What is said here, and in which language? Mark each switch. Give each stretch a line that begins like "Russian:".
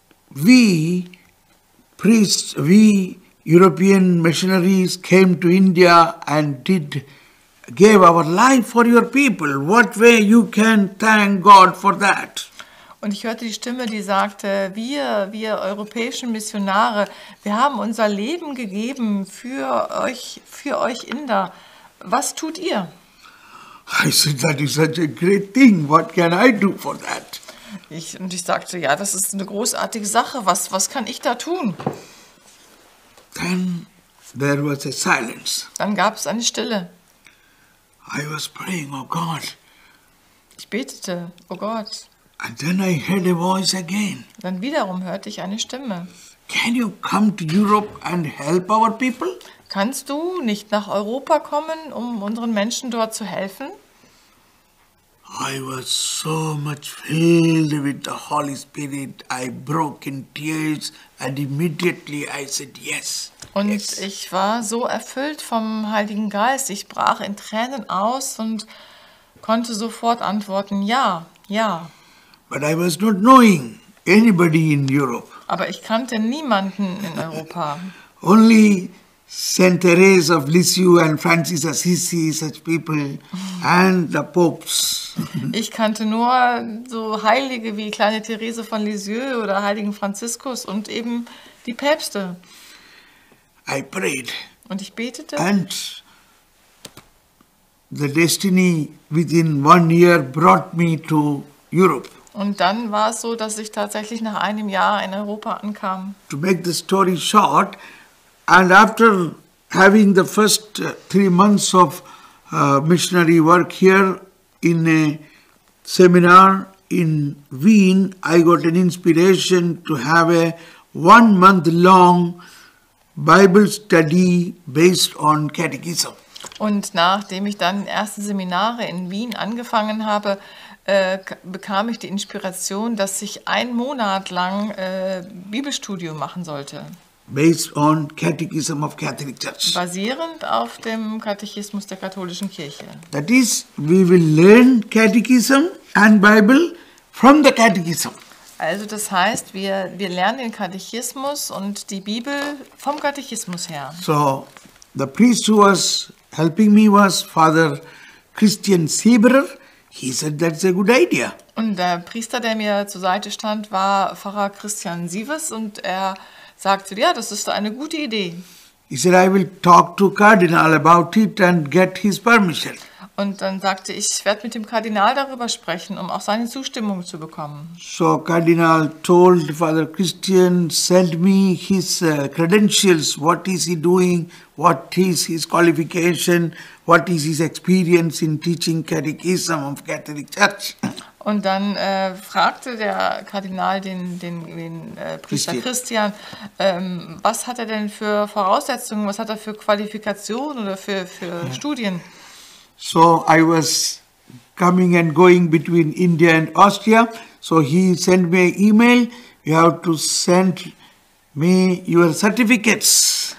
English: We priests, we European missionaries came to India and gave our life for your people. What way you can thank God for that?
German: Und ich hörte die Stimme, die sagte, wir europäischen Missionare, wir haben unser Leben gegeben für euch Inder. Was tut ihr?
English: I said, that is such a great thing. What can I do for that?
German: Ich sagte, ja, das ist eine großartige Sache. Was kann ich da tun?
English: Then there was a silence.
German: Dann gab es eine Stille.
English: I was praying, oh God.
German: Ich betete, oh Gott.
English: And then I heard a voice again.
German: Dann wiederum hörte ich eine Stimme.
English: Can you come to Europe and help our people?
German: Kannst du nicht nach Europa kommen, um unseren Menschen dort zu helfen?
English: I was so much filled with the Holy Spirit, I broke in tears and immediately I said yes.
German: Und ich war so erfüllt vom Heiligen Geist, ich brach in Tränen aus und konnte sofort antworten, ja, ja.
English: But I was not knowing anybody in Europe.
German: Aber ich kannte niemanden in Europa.
English: Only Saint Therese of Lisieux and Francis Assisi, such people, and the popes.
German: Ich kannte nur so Heilige wie kleine Therese von Lisieux oder heiligen Franziskus und eben die Päpste.
English: I prayed.
German: Und ich betete.
English: And the destiny within 1 year brought me to Europe.
German: Und dann war es so, dass ich tatsächlich nach einem Jahr in Europa ankam.
English: To make the story short, and after having the first 3 months of missionary work here in a seminar in Wien, I got an inspiration to have a 1 month long Bible study based on catechism.
German: Und nachdem ich dann erste Seminare in Wien angefangen habe, bekam ich die Inspiration, dass ich 1 Monat lang Bibelstudium machen sollte.
English: Based on Catechism of Catholic Church.
German: Basierend auf dem Katechismus der katholischen Kirche.
English: That is, we will learn Catechism and Bible from the Catechism.
German: Also das heißt, wir lernen den Katechismus und die Bibel vom Katechismus her.
English: So, the priest who was helping me was Father Christian Sieberer. He said that's a good idea.
German: Und der Priester, der mir zur Seite stand, war Pfarrer Christian Sievers und er sagte, ja, das ist eine gute Idee.
English: He said, I will talk to Cardinal about it and get his permission.
German: Und dann sagte ich, werde mit dem Kardinal darüber sprechen, um auch seine Zustimmung zu bekommen.
English: So Kardinal told Father Christian, send me his credentials. What is he doing? What is his qualification? What is his experience in teaching catechism of Catholic Church?
German: Und dann fragte der Kardinal den Priester Christian, was hat er denn für Voraussetzungen? Was hat er für Qualifikationen oder für Studien?
English: So I was coming and going between India and Austria. So he sent me an email. You have to send me your certificates.